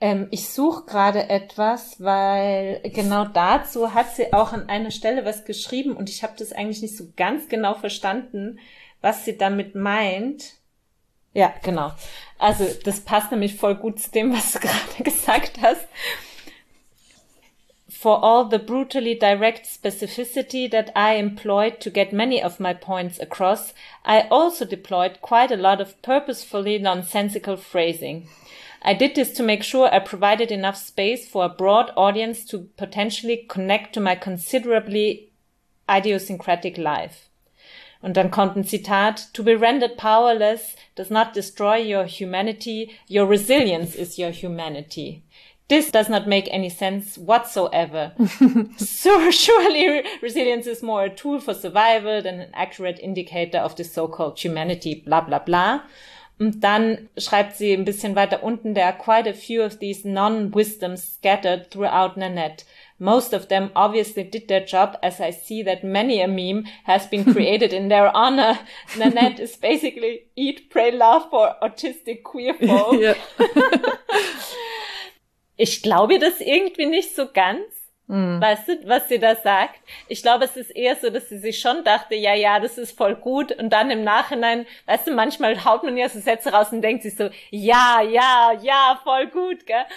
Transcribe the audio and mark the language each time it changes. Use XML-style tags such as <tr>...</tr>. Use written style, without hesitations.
<de>Ich suche gerade etwas, weil genau dazu hat sie auch an einer Stelle was geschrieben und ich habe das eigentlich nicht so ganz genau verstanden, was sie damit meint. Ja, genau. Also das passt nämlich voll gut zu dem, was du gerade gesagt hast.</de> <en>For all the brutally direct specificity that I employed to get many of my points across, I also deployed quite a lot of purposefully nonsensical phrasing. I did this to make sure I provided enough space for a broad audience to potentially connect to my considerably idiosyncratic life.</en> <de>Und dann kommt ein Zitat,</de> <en>to be rendered powerless does not destroy your humanity, your resilience is your humanity. This does not make any sense whatsoever. So surely resilience is more a tool for survival than an accurate indicator of the so-called humanity, bla bla bla.</en> <de>Und dann schreibt sie ein bisschen weiter unten,</de> <en>there are quite a few of these non-wisdoms scattered throughout Nanette. Most of them obviously did their job, as I see that many a meme has been created in their honor. Nanette is basically eat, pray, love for autistic queer folk. Yeah.</en> <de>Ich glaube das irgendwie nicht so ganz, weißt du, was sie da sagt. Ich glaube, es ist eher so, dass sie sich schon dachte, ja, das ist voll gut. Und dann im Nachhinein, weißt du, manchmal haut man ja so Sätze raus und denkt sich so, ja, voll gut, gell?</de>